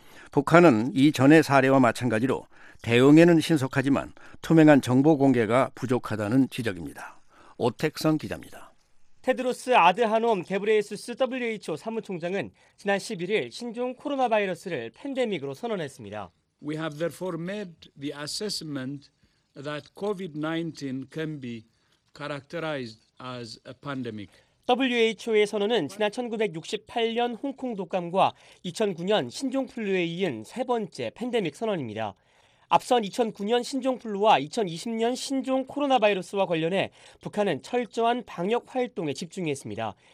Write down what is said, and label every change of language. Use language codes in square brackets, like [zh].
[ko] 북한은 이전의 사례와 마찬가지로 대응에는 신속하지만 투명한 정보 공개가 부족하다는 지적입니다. 오택성 기자입니다. 테드로스 아드하놈 게브레이수스 WHO 사무총장은 지난 11일 신종 코로나 바이러스를 팬데믹으로 선언했습니다. [en] We have therefore made the assessment that COVID-19 can be characterized as a pandemic. [ko] WHO의 선언은 지난 1968년 홍콩 독감과 2009년 신종 플루에 이은 세 번째 팬데믹 선언입니다. 앞선 2009년 신종플루와 2020년 신종 코로나 바이러스와 관련해 북한은 철저한 방역 활동에 집중했습니다.